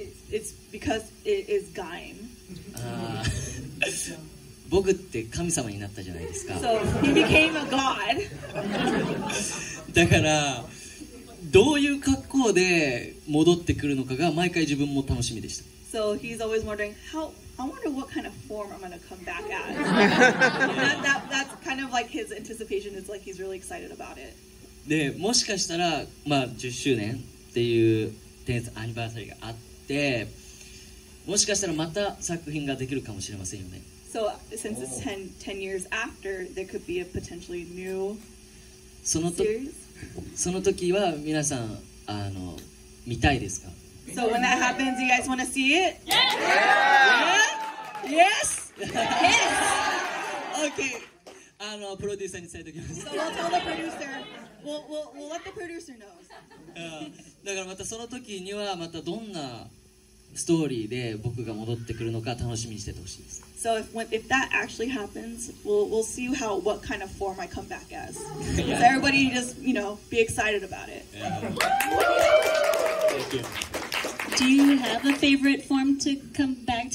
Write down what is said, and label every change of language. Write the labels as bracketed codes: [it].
[en] It's because it is Gaim. [ja] 僕って神様になったじゃないですか。 [en] So he became a god. [ja] だからどういう格好で戻ってくるのかが毎回自分も楽しみでした。 [en] So he's always wondering how. I wonder what kind of form I'm going to come back as. that's kind of like his anticipation. It's like he's really excited about it. [ja] で、もしかしたら、まあ、10周年っていう [en] 10th anniversary [ja] があって、もしかしたらまた作品ができるかもしれませんよね。 [en] So, since it's 10 years after, there could be a potentially new series? [ja] その時は皆さん、見たいですか? [en] So when that happens, you guys want to see it? Yes! Yeah! Yes! Yes! [ja] Okay. Producer に伝えておきます。 [en] So we'll tell the producer. We'll let the producer know. [ja] だからまたその時にはまたどんなストーリーで僕が戻ってくるのか楽しみにしててほしいです。 [en] So if that actually happens, we'll see what kind of form I come back as. So everybody just, you know, be excited about it. Yeah. Thank you. Do you have a favorite form to come back to?